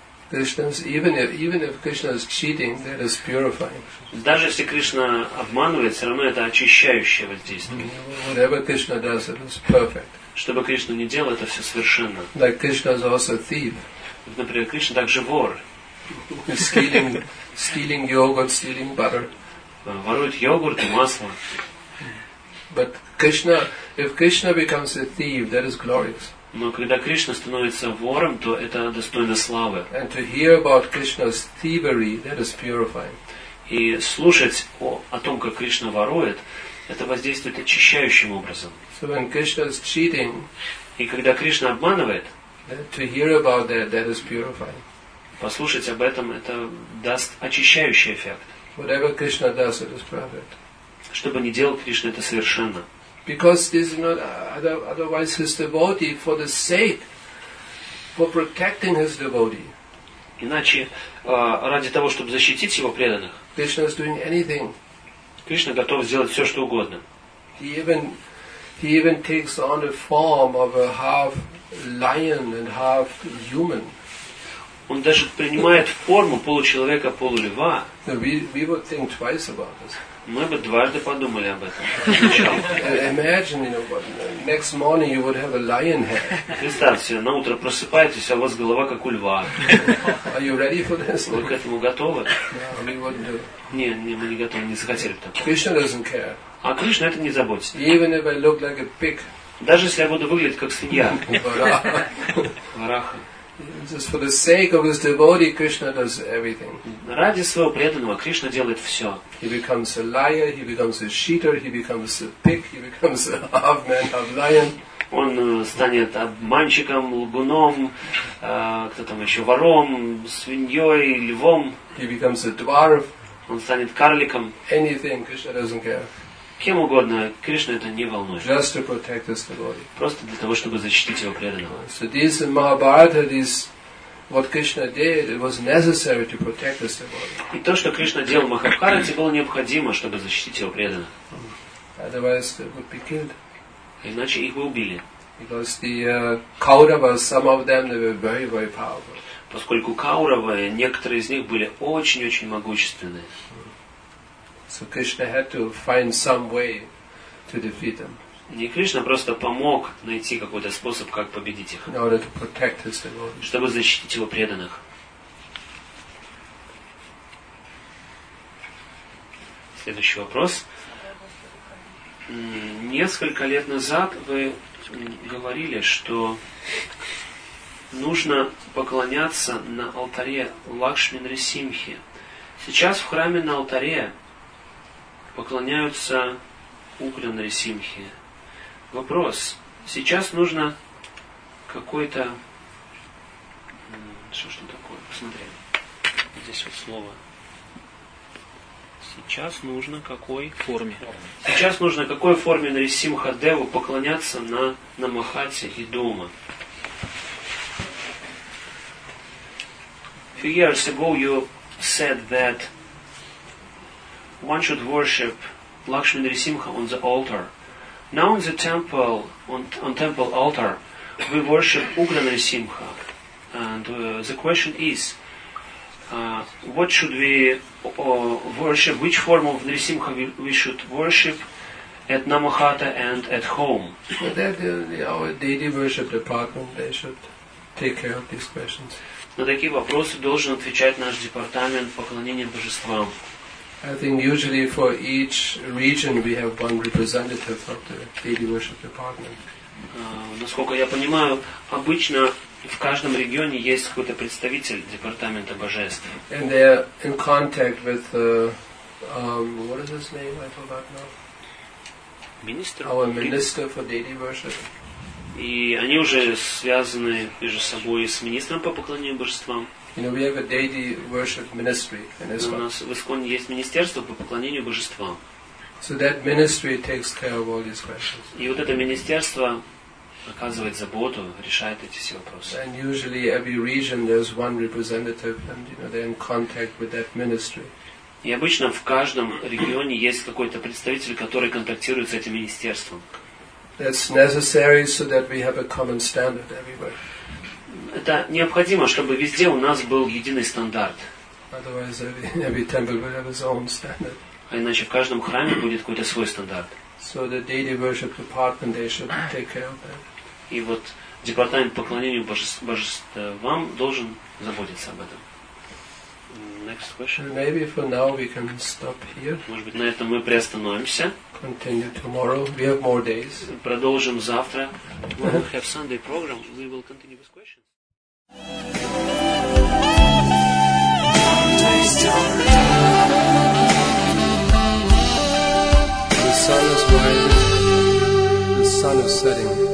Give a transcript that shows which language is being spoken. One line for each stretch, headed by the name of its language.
English: Even if Krishna is cheating, that is purifying.
Russian: Даже если Кришна обманывает, все равно это очищающее воздействие.
English: Whatever Krishna does, it is perfect.
Russian: Что бы Кришна ни делал, это все совершенно.
English: Like Krishna is also a thief.
Russian: Например, Кришна также вор.
English: Stealing yogurt, stealing butter.
Russian: Ворует йогурт и масло.
English: But Krishna, if Krishna becomes a thief, that is glorious.
Russian: Но когда Кришна становится вором, то это достойно славы.
English: And to hear about Krishna's thievery, that is purifying.
Russian: И слушать о том, как Кришна ворует, это воздействует очищающим образом.
English: So when Krishna is cheating,
Russian: и когда Кришна обманывает,
English: to hear about that is purifying.
Russian: Послушать об этом, это даст очищающий эффект.
English: Whatever Krishna does, it is perfect.
Russian: Что бы ни делал Кришна, это совершенно.
English: Because this is not otherwise his devotee for the sake, for protecting his devotee.
Russian: Иначе ради того, чтобы защитить его преданных.
English: Krishna is doing anything.
Russian: Кришна готов сделать все, что угодно.
English: He even takes on the form of a half lion and half human.
Russian: Он даже принимает форму получеловека, полулева.
English: We would think twice about this.
Russian: Мы бы дважды подумали об этом.
English: Imagine, next morning you would have a lion head.
Russian: Представьте себе, на утро просыпаетесь, а у вас голова как у льва.
English: Are you ready for this?
Russian: Вы к этому готовы?
English: No, we wouldn't do.
Russian: Не, мы не готовы, не захотели бы такого.
English: Krishna doesn't care.
Russian: А Кришна это не заботит.
English: Even if I look like a pig.
Russian: Даже если я буду выглядеть как свинья. Вараха.
English: Just for the sake of his devotee, Krishna does everything.
Russian: Ради своего преданного Кришна делает все.
English: He becomes a liar, he becomes a cheater, he becomes a pig, he becomes a half man, half lion.
Russian: Он станет обманщиком, лгуном, кто там еще, вором, свиньей, львом.
English: He becomes a dwarf.
Russian: Он станет карликом.
English: Anything, Krishna doesn't care.
Russian: Кем угодно, Кришна это не волнует.
English: Just to protect his devotee.
Russian: Просто для того, чтобы защитить его преданного.
English: So this in Mahabharata, this what Krishna did, it was necessary to protect his devotee.
Russian: И то, что Кришна делал в Махабхарате, было необходимо, чтобы защитить его преданного.
English: Otherwise, they would be killed.
Russian: Иначе их бы убили.
English: Because the Kauravas, some of them, they were very, very powerful.
Russian: Поскольку Кауравы, некоторые из них были очень-очень могущественные.
English: So Krishna had to find some way to defeat them.
Russian: Не Кришна просто помог найти какой-то способ, как победить их.
English: In order to protect his devotees.
Russian: Чтобы защитить его преданных. Следующий вопрос. Несколько лет назад вы говорили, что нужно поклоняться на алтаре Лакшми Нрисимхи. Сейчас в храме на алтаре поклоняются Укра Нрисимхи. Вопрос. Сейчас нужно какой-то... Что такое? Посмотрим. Здесь вот слово. Сейчас нужно какой форме? Сейчас нужно какой форме Нрисимха Деву поклоняться на Махате и дома?
English: A few years ago you said that one should worship Lakshmi Narasimha on the altar. Now in the temple, on temple altar, we worship Ugrana Simha. And the question is, what should we worship, which form of Narisimha we should worship at Namahata and at home? Well, that, our deity worship department, they should take care of these questions.
Russian: На такие вопросы должен отвечать наш департамент поклонения божествам.
English: I think usually for each region we have one representative of the deity worship department.
Russian: Насколько я понимаю, обычно в каждом регионе есть какой-то представитель департамента божеств.
English: And they are in contact with what is his name? I forgot now.
Russian: Министр.
English: Our minister for deity worship.
Russian: И они уже связаны между собой с министром по поклонению божествам.
English: You know, we have a deity worship ministry in Iskon.
Russian: У нас в Исконе есть министерство по поклонению божествам.
English: So that ministry takes care of all these questions.
Russian: И вот это министерство оказывает заботу, решает эти все вопросы.
English: And usually every region there's one representative, and you know they're in contact with that ministry.
Russian: И обычно в каждом регионе есть какой-то представитель, который контактирует с этим министерством.
English: That's necessary so that we have a common standard everywhere.
Russian: Это необходимо, чтобы везде у нас был единый стандарт.
English: Otherwise, every temple will have its own standard.
Russian: А иначе в каждом храме будет какой-то свой стандарт.
English: So the deity worship department, they should take care of that.
Russian: И вот департамент поклонения божествам должен заботиться об этом.
English: Next question. Maybe for now we can stop here.
Russian: Может быть, на этом мы приостановимся.
English: Continue tomorrow. We have more days.
Russian: Продолжим завтра.
English: When we have Sunday program, we will continue with questions. The sun is rising, the sun is setting.